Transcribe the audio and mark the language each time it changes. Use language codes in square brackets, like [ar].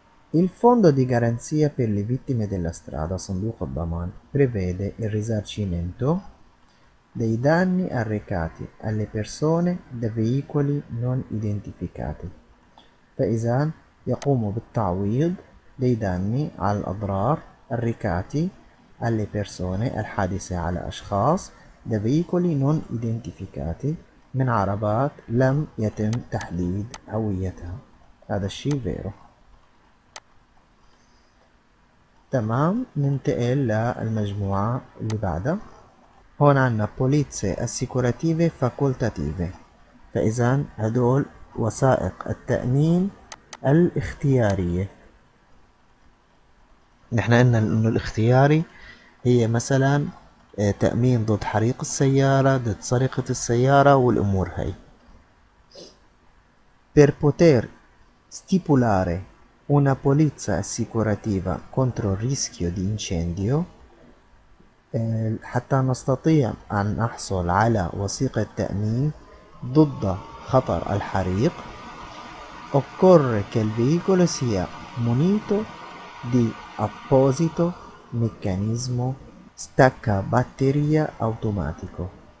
[it] Il fondo di garanzia per le vittime della strada, [ar] صندوق الضمان, [it] prevede il risarcimento dei danni arrecati alle persone da veicoli non identificati. [ar] فإذا يقوم بالتعويض [it] dei danni [ar] al-adrar [it] arrecati alle persone, [ar] الحادثة على أشخاص, [it] da veicoli non identificati, [ar] من عربات لم يتم تحديد هويتها. هذا الشيء vero. تمام، ننتقل للمجموعة اللي بعدها. هون عنا بوليتسي أسيكوراتيفي فاكولتاتيفي. فإذا هدول وثائق التأمين الاختيارية. نحن قلنا إنه الاختياري هي مثلا تأمين ضد حريق السيارة، ضد سرقة السيارة والأمور هاي. [it] Per poter stipulare una polizza assicurativa contro il rischio di incendio, [ar] حتى نستطيع أن نحصل على وثيقة تأمين ضد خطر الحريق، [it] occorre che il veicolo sia munito di apposito meccanismo stacca batteria automatico.